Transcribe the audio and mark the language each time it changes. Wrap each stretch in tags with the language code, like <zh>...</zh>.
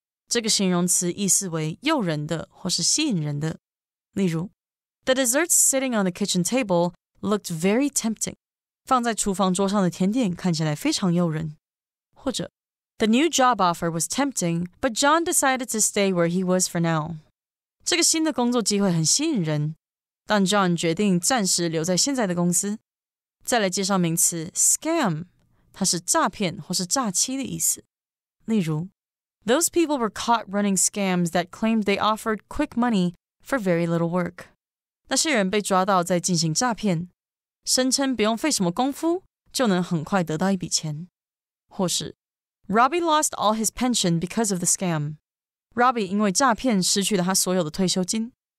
<zh>这个形容词意思为诱人的或是吸引人的。例如</zh> <en>,The desserts sitting on the kitchen table looked very tempting.</en> <zh>放在厨房桌上的甜点看起来非常诱人。或者</zh> <en>,The new job offer was tempting, but John decided to stay where he was for now.</en> <zh>这个新的工作机会很吸引人。但 John 决定暂时留在现在的公司。再来介绍名词 scam， 它是诈骗或是诈欺的意思。例如</zh> <en>，Those people were caught running scams that claimed they offered quick money for very little work。</en> <zh>那些人被抓到在进行诈骗，声称不用费什么功夫就能很快得到一笔钱。或是</zh> <en>，Robbie lost all his pension because of the scam。</en> <zh>Robbie 因为诈骗失去了他所有的退休金。</zh>